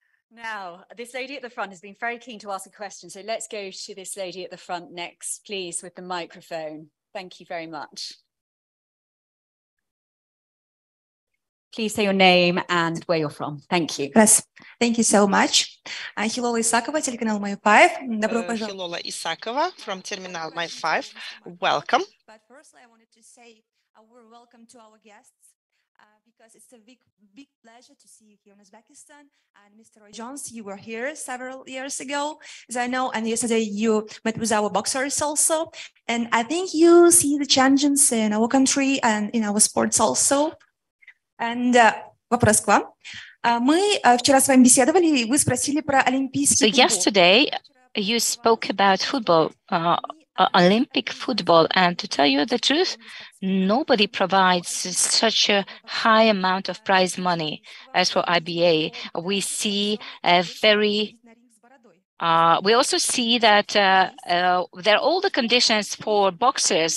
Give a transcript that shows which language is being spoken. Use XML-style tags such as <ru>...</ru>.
<en>Now, this lady at the front has been very keen to ask a question, so let's go to this lady at the front next, please, with the microphone. Thank you very much. Please say your name and where you're from. Thank you. Yes. Thank you so much.</en> <ru>Хилола Исакова, телеканал My5. Добро пожаловать.</ru> <en>Хилола Исакова from Terminal My5. Welcome. But firstly, I wanted to say a warm welcome to our guests because it's a big, big pleasure to see you here in Uzbekistan. And Mr. Roy Jones, you were here several years ago, as I know. And yesterday you met with our boxers also. And I think you see the changes in our country and in our sports also. And</en> <ru>вопрос к вам. Мы вчера с вами беседовали, и вы спросили про олимпийский футбол.</ru> <en>So yesterday you spoke about football, Olympic football, and to tell you the truth, nobody provides such a high amount of prize money as for IBA. We see a very we also see that there are all the conditions for boxers.</en>